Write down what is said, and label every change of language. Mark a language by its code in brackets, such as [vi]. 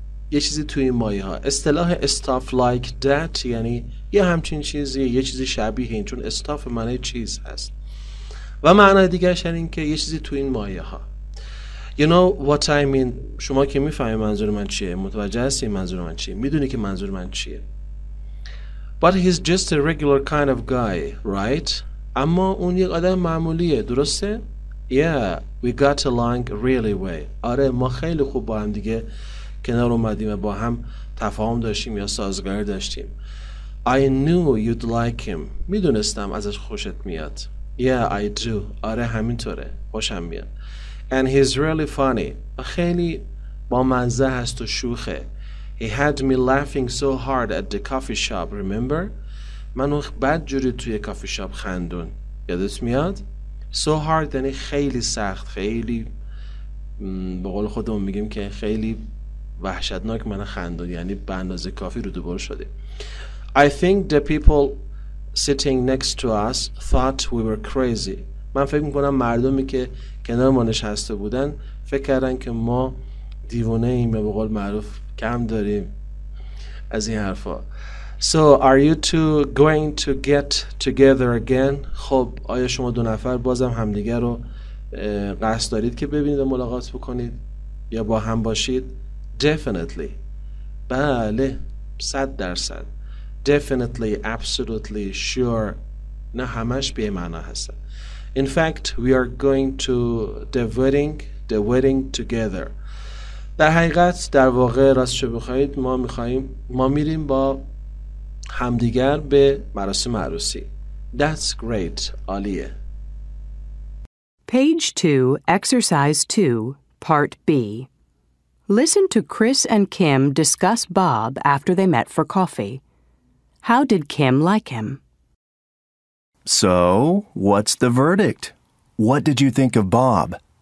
[fa] یه چیزی توی این مایه ها اصطلاح [en] stuff like that [fa] یعنی یه همچین چیزی یه چیزی شبیه این چون stuff معنی چیز هست و معنی دیگرش این که یه چیزی توی این مایه ها [en] You know what I mean [fa] شما که میفهمی منظور من چیه متوجه هستی منظور من چیه میدونی که منظور من چیه [en] But he's just a regular kind of guy right [fa] اما اون یک آدم معمولیه درسته [en] Yeah we got along really well [fa] آره ما خیلی خوب با هم دیگه کنار اومدیم با هم تفاهم داشتیم یا سازگاری داشتیم [en] I knew you'd like him [fa] میدونستم ازش خوشت میاد [en] Yeah I do [fa] آره همینطوره خوشم میاد [en] And he's really funny [fa] خیلی با مزه هست و شوخه [en] He had me laughing so hard at the coffee shop remember [fa] منو بد جوری توی کافی شاپ خندون یادت میاد [en] So hard [fa] یعنی خیلی سخت خیلی به قول خودمون میگیم که خیلی وحشتناک من خندون یعنی به اندازه کافی رو دوبار شده [en] I think the people sitting next to us thought we were crazy [fa] من فکر میکنم مردمی که کنار ما نشسته بودن فکر کردن که ما دیوانه ایم به قول معروف کم داریم از این حرفا [en] So are you two going to get together again [fa] خب آیا شما دو نفر بازم همدیگر رو قصد دارید که ببینید و ملاقات بکنید یا با هم باشید [en] Definitely [fa] بله 100% [en] Definitely, absolutely, sure [fa] نه همش به معنا هستن [en] In fact, we are going to the wedding together [fa] در حقیقت در واقع راست چه بخواهید ما میخواییم ما میریم با همدیگر به مراسم عروسی [en] That's great, [fa] عالیه [en] Page 2, Exercise 2, Part B Listen to Chris and Kim discuss Bob after they met for coffee. How did Kim like him? So, what's the verdict? What did you think of Bob?